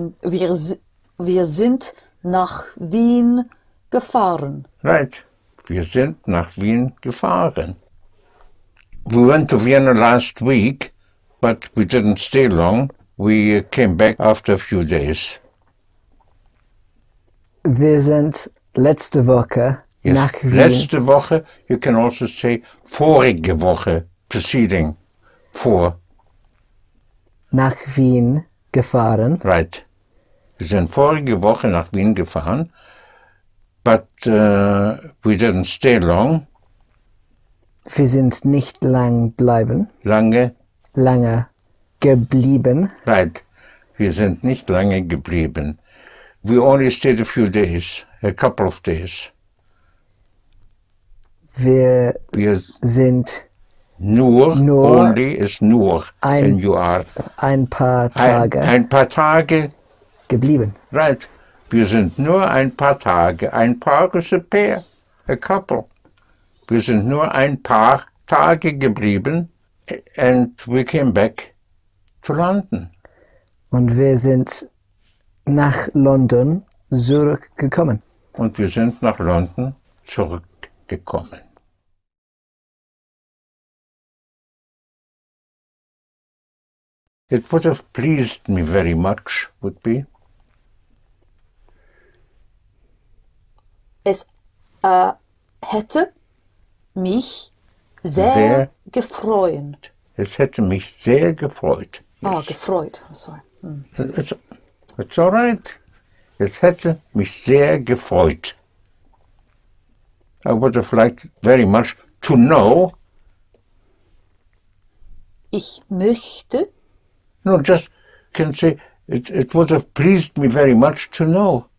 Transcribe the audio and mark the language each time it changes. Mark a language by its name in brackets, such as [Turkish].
[German] wir sind nach Wien gefahren. [English] Right. [German] Wir sind nach Wien gefahren. [English] We went to Vienna last week, but we didn't stay long. We came back after a few days. [German] Wir sind letzte Woche, [English] yes, [German] nach Wien. Letzte Woche, [English] you can also say [German] vorige Woche, [English] preceding, vor. [German] Nach Wien gefahren. [English] Right. [German] Wir sind vorige Woche nach Wien gefahren, [English] but we didn't stay long. [German] Wir sind nicht lang bleiben. Lange. Lange geblieben. [English] Right. [German] Wir sind nicht lange geblieben. [English] We only stayed a few days. A couple of days. [German] Wir sind [English] nur only is nur, and you are [German] ein paar Tage geblieben. [English] Right. [German] Wir sind nur ein paar Tage. Ein paar [English] is a pair, a couple. [German] Wir sind nur ein paar Tage geblieben, [English] and we came back to London. [German] Und wir sind nach London zurückgekommen. Und wir sind nach London zurückgekommen. [English] It would have pleased me very much, would be. [German] Es hätte mich sehr gefreut. Es hätte mich sehr gefreut. Ah, oh, gefreut, sorry. [English] It's all right. [German] Es hätte mich sehr gefreut. [English] I would have liked very much to know. [German] Ich möchte. [English] No, just can say it would have pleased me very much to know.